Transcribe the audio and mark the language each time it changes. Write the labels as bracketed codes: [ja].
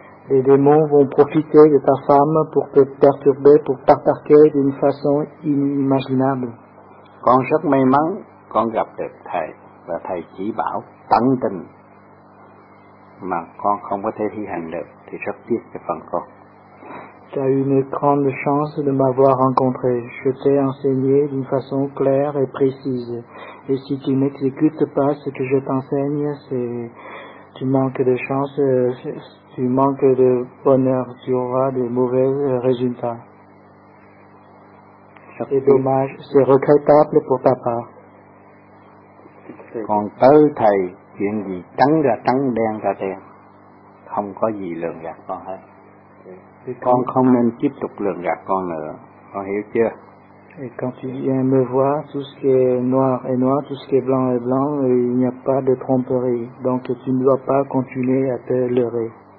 [fr] Les démons vont profiter de ta femme pour te perturber, pour t'attaquer d'une façon inimaginable. [vi] Con rất may mắn, con gặp được thầy và thầy chỉ bảo. Tận tình mà con không có thể thi hành được thì rất tiếc cái phần con. [fr] Tu as eu une grande chance de m'avoir rencontré. Je t'ai enseigné d'une façon claire et précise. Et si tu n'exécutes pas ce que je t'enseigne, tu manques de chance, tu manques de bonheur, tu auras de mauvais résultats. C'est dommage, c'est regrettable pour ta part. [vi] Còn tới thầy chuyện gì trắng ra trắng đen ra đen không có gì lường gạt con hết. Con không nên tiếp tục lường gạt con nữa, con hiểu chưa? [fr] Et quand tu viens me voir, tout ce qui est noir est noir, tout ce qui est blanc est blanc, et il n'y a pas de tromperie, donc tu ne dois pas continuer à te leurrer.